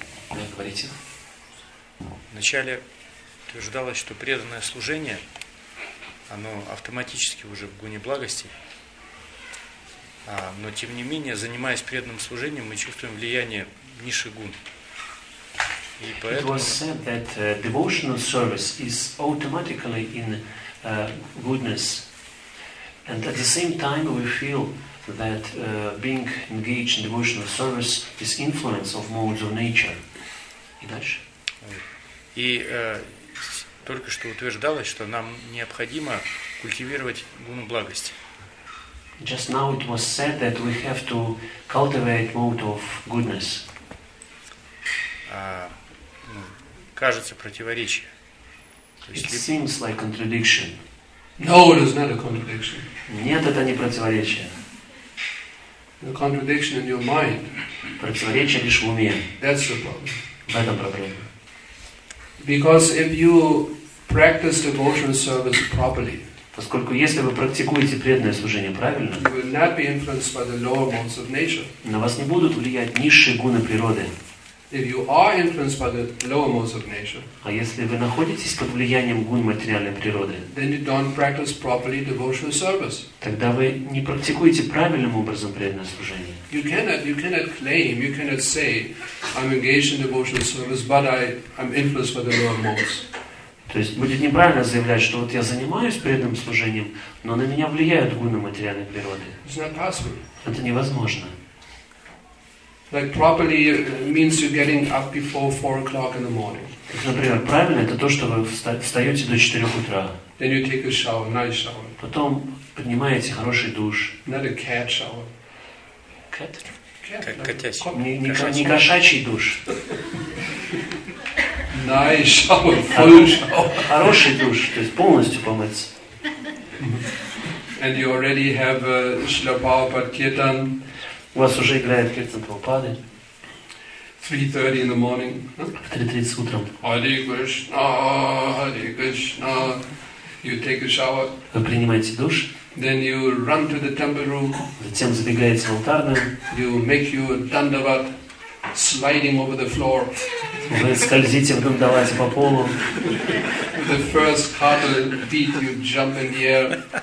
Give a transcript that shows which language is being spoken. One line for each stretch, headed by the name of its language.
Russian: Да, говорите. Вначале утверждалось, что преданное служение, оно автоматически уже в гуне благости. Но тем не менее, занимаясь преданным служением, мы чувствуем влияние низших гун. И поэтому...
English: It was said that devotional service is automatically in goodness. And at the same time we feel that being engaged in devotional service is influence of modes of nature.
Russian: И дальше? И только что утверждалось, что нам необходимо культивировать гуну благости.
English: Just now it was said that we have to cultivate mode of goodness.
Russian: Кажется противоречие.
English: It seems like contradiction. No, it is not a contradiction.
Russian: Нет, это не противоречие.
English: The contradiction in your mind.
Russian: Противоречие лишь в уме.
English: That's the problem.
Russian: В этом проблема.
English: Because if you practice devotional service properly,
Russian: поскольку если вы практикуете преданное служение правильно,
English: you will not be influenced by the lower modes of nature.
Russian: На вас не будут влиять низшие гуны природы.
English: If you are influenced by the lower modes of nature,
Russian: а если вы находитесь под влиянием гун материальной природы,
English: then you don't practice properly devotional service.
Russian: Тогда вы не практикуете правильным образом преданное служение.
English: You cannot claim, you cannot say, I'm engaged in devotional service, but I'm influenced by the lower modes.
Russian: То есть будет неправильно заявлять, что вот я занимаюсь преданным служением, но на меня влияют гуны материальной природы.
English: It's not possible.
Russian: Это невозможно.
English: Like properly means you're getting up before 4 o'clock in the morning.
Russian: Например, правильно это то, что вы встаете до 4 утра.
English: Then you take a shower, nice shower.
Russian: Потом поднимаете хороший душ.
English: Not a cat shower. Cat? Cat.
Russian: Не кошачий душ.
English: Nice shower, full shower.
Russian: Хороший душ, то есть полностью помыться.
English: And you already have a shlapao pad kirtan.
Russian: У вас уже играет Киртан Прабхупады.
English: 3:30 in the morning.
Russian: В 3:30 утром.
English: Hare Krishna, Hare Krishna. You take a shower.
Russian: Вы принимаете душ.
English: Then you run to the temple room.
Russian: Затем забегаете в алтарную.
English: You make your dandavat sliding over the floor.
Russian: Вы скользите в дандавате по полу.
English: The first cartwheel beat, you jump in the air.